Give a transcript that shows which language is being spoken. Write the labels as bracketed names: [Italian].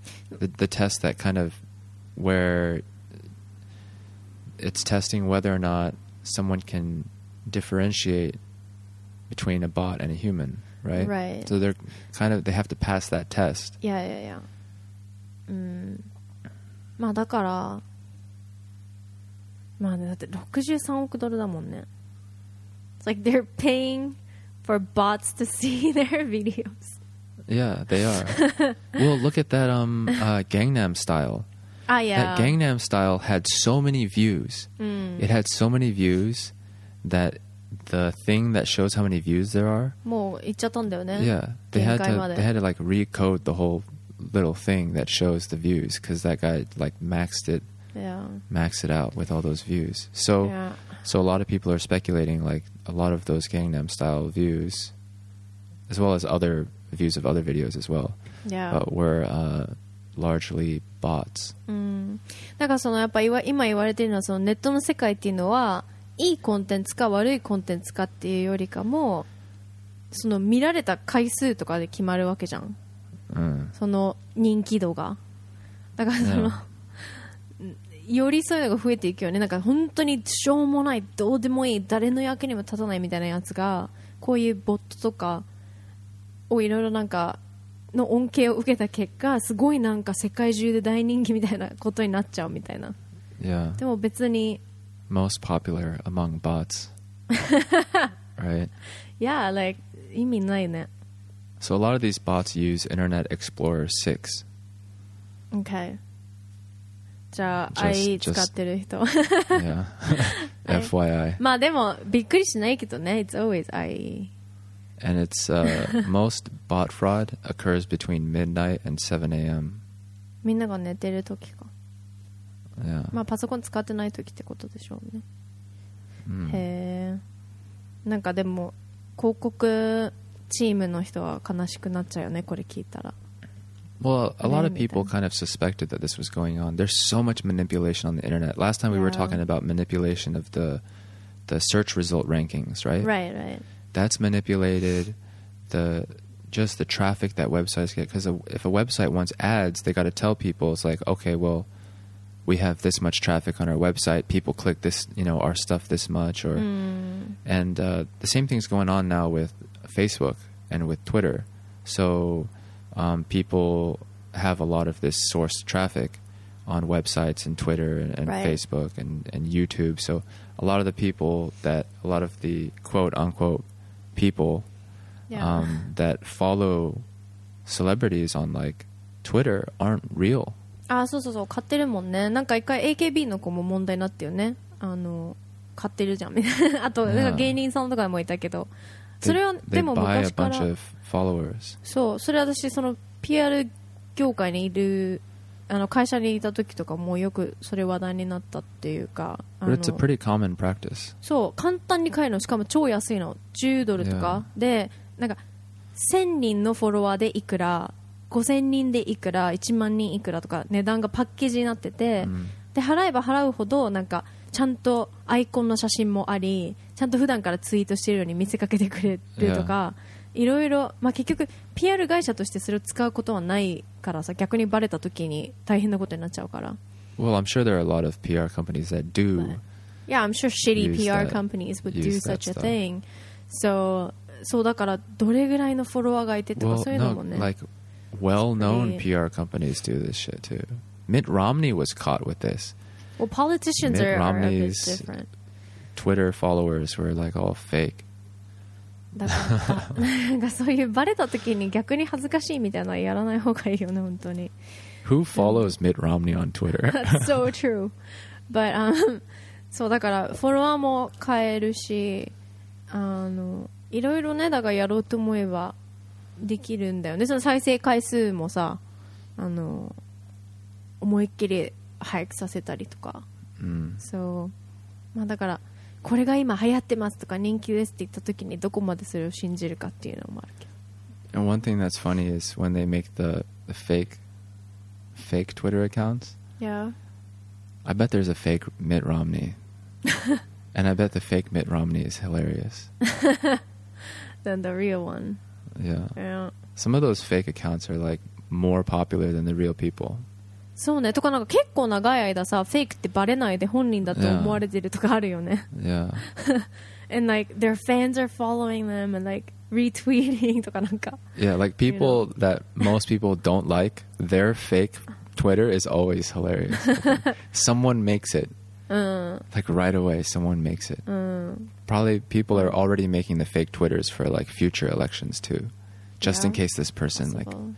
[English] The test that kind of where it's testing whether or not someone can differentiate between a bot and a human, right? Right. So they're kind of, they have to pass that test. Yeah. [Japanese] まあだから、まあね、だって63億ドルだもんね。 [English] It's like they're paying... for bots to see their videos. Yeah, they are. Well, look at that Gangnam Style. Ah, yeah. That Gangnam Style had so many views. It had so many views that the thing that shows how many views there are... [Japanese] もう行っちゃったんだよね。 [English] Yeah. They had to like recode the whole little thing that shows the views because that guy like maxed it out with all those views. So, so a lot of people are speculating like,a lot of those Gangnam Style views, as well as other views of other videos as well, but were largely bots. [Japanese] だからそのやっぱ今言われているのは、そのネットの世界っていうのはいいコンテンツか悪いコンテンツかっていうよりかも、その見られた回数とかで決まるわけじゃん。その人気度が。だからその、寄り添いが増えていくよね。なんか本当にしょうもない、どうでもいい、誰の役にも立たないみたいなやつが、こういうボットとかをいろいろなんかの恩恵を受けた結果、すごいなんか世界中で大人気みたいなことになっちゃうみたいな。 [English] Yeah. [Japanese] でも別に [English] most popular among bots. Right? Yeah, like [Japanese] 意味ないね。 [English] So a lot of these bots use Internet Explorer 6. [Japanese] Okay. じゃあ、I 使ってる人。 [English] Yeah. FYI. [Japanese] まあでも、びっくりしないけどね。 [English] It's always I. And it's, most bot fraud occurs between midnight and 7 a.m. [Japanese] みんなが寝てる時か。 [English] Yeah. [Japanese] まあパソコン使ってない時ってことでしょうね。へえ。なんかでも、広告チームの人は悲しくなっちゃうよね、これ聞いたら。 [English] Well, a lot of people kind of suspected that this was going on. There's so much manipulation on the internet. Last time we were talking about manipulation of the search result rankings, right? Right, right. That's manipulated the just the traffic that websites get. Because if a website wants ads, they got to tell people, it's like, okay, well, we have this much traffic on our website. People click this, you know, our stuff this much. Or, and the same thing's going on now with Facebook and with Twitter. So... people have a lot of this source traffic on websites and Twitter and right. Facebook and YouTube. So a lot of the people that, a lot of the quote unquote people that follow celebrities on like Twitter aren't real. [Japanese] Ah, so so so, 買ってるもんね。なんか一回 AKB の子も問題になってよね。あの、買ってるじゃん。あと、なんか芸人さんとかもいたけど。それはでも昔から。 [English] Followers. [Japanese] そう、それ私その PR 業界にいるあの会社にいた時とかもよくそれ話題になったっていうか、 [English] あの、But it's a pretty common practice. [Japanese] そう、簡単に買えるの、しかも超安いの、10ドルとか、yeah. で、なんか1000人のフォロワーでいくら、5000人でいくら、1万人いくらとか値段がパッケージになってて、で払えば払うほどなんかちゃんとアイコンの写真もあり、ちゃんと普段からツイートしているように見せかけてくれるとか。 [English] Yeah. [Japanese] いろいろ、まあ、結局 PR 会社としてそれを使うことはないからさ、逆にバレた時に大変なことになっちゃうから。 [English] Well, I'm sure there are a lot of PR companies that do. Yeah, I'm sure shitty PR companies would do such a thing. [Japanese] So, そうだからどれぐらいのフォロワーがいてとかそういうのもね。 [English] Like well-known PR companies do this shit too. Mitt Romney was caught with this. Well, politicians are a bit different. Mitt Romney's Twitter followers were like all fake. [Japanese] だからなんかそういうバレた時に逆に恥ずかしいみたいなのはやらない方がいいよね本当に。 [English] Who follows Mitt Romney on Twitter? That's so true. [Japanese] But そうだからフォロワーも変えるし、あのいろいろねだがやろうと思えばできるんだよね。その再生回数もさ、あの思いっきり早くさせたりとか。そう、まあだから。これが今流行ってますとか人気ですって言った時にどこまでそれを信じるかっていうのもあるけど。 [English] And one thing that's funny is when they make the fake Twitter accounts. Yeah. I bet there's a fake Mitt Romney. And I bet the fake Mitt Romney is hilarious. than the real one. Yeah. Some of those fake accounts are like more popular than the real people. [Japanese] そうね、とかなんか結構長い間さ、フェイクってバレないで本人だと思われてるとかあるよね。 [English] Yeah. and like their fans are following them and like retweeting [Japanese] とかなんか。 [English] Yeah, like people you know? that most people don't like, their fake Twitter is always hilarious. someone makes it. like right away, someone makes it. Probably people are already making the fake Twitters for like future elections too, just yeah, in case this person like.